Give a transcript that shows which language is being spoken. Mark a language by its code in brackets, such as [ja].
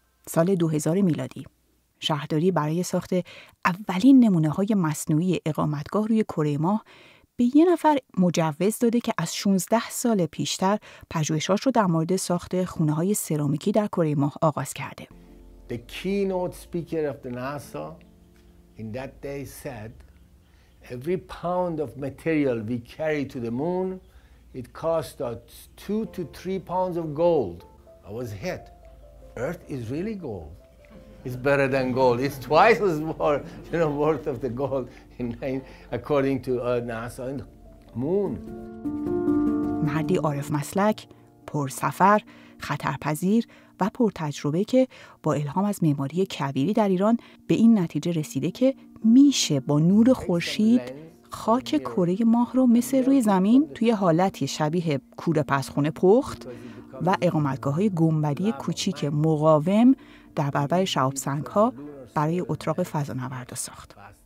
[fa] سال 2000 میلادی، شهرداری برای ساخت اولین نمونه های مصنوعی اقامتگاه روی کره ماه به یه نفر مجوز داده که از 16 سال پیشتر پژوهشاش رو در مورد ساخت خونه های سرامیکی در کره ماه آغاز کرده. [en] The keynote speaker of the NASA in that day said every pound of material we carry to the moon it cost us 2 to 3 pounds of gold. I was hit. Earth is really gold. It's better than gold. It's twice as more, you know, worth of the gold in according to NASA and Moon. [fa] مردی عارف مسلک، پرسفر، خطرپذیر و پرتجربه که با الهام از معماری کویری در ایران به این نتیجه رسیده که میشه با نور خورشید خاک کره ماه رو مثل روی زمین توی حالتی شبیه کوره پسخونه پخت و اقامتگاه‌های گنبدی کوچیک مقاوم در برابر شهاب سنگ‌ها برای اتراق فضانوردا ساخت.